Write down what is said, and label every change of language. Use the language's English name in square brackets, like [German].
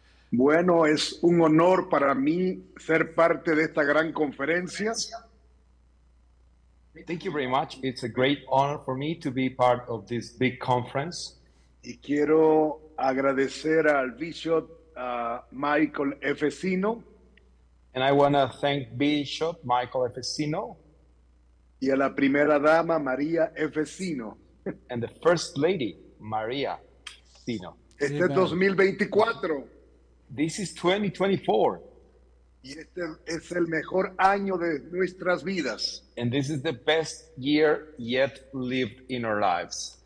[Spanish] Bueno, es un honor para mí ser parte de esta gran conferencia. [English] Thank you very much. It's a great honor for me to be part of this big conference. [Spanish] Y quiero agradecer al Bishop Michael Efesino. [English] And I want to thank Bishop Michael Efesino. [Spanish] Y a la primera dama, María Efesino. [English] And the First Lady, María Efesino. [Spanish] Este es 2024. [English] This is 2024. [Spanish] Y este es el mejor año de nuestras vidas. [English] And this is the best year yet lived in our lives.